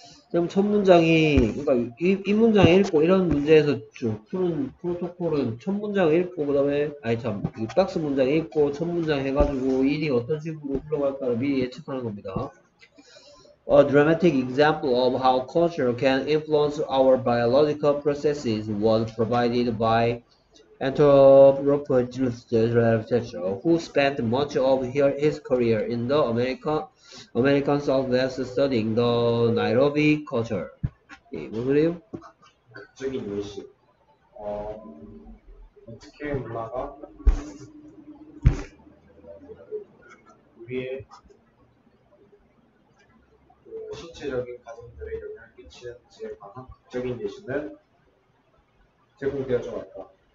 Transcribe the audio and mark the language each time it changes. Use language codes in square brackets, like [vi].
[ko] 그럼 첫 문장이, 그러니까 이 문장 읽고 이런 문제에서 쭉 푸는 프로토콜은 첫 문장 읽고 그 다음에 아니 참 이 박스 문장 읽고 첫 문장 해가지고 일이 어떤 식으로 흘러갈까를 미리 예측하는 겁니다. [en] A dramatic example of how culture can influence our biological processes was provided by anthropologist Ralph Tetcher, who spent much of his career in the American Southwest studying the Nairobi culture. [ko] 예, 뭐 그래요? 극적인 예시. 어떻게 문화가 우리의 실질적인 가정들의 영향을 끼치는지에 관한 극적인 예시는 제공되어져 왔다.